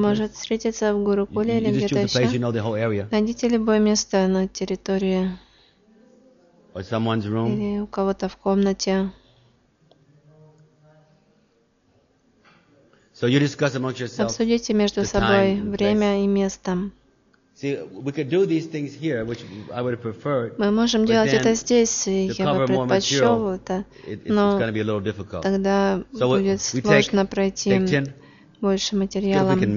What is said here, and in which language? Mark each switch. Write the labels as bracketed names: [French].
[Russian] Может встретиться в Гурукуле или где-то еще? [English] Place, you know the whole area. [Russian] Найдите любое место на территории. [English] Or someone's room. [Russian] Или у кого-то в комнате. [English] So you discuss amongst yourselves. [Russian] Обсудите между собой время и место. [English] See, we could do these things here, which I would have preferred. [Russian] Мы можем делать это здесь, и я бы предпочел это. Но тогда будет сложно пройти больше материала.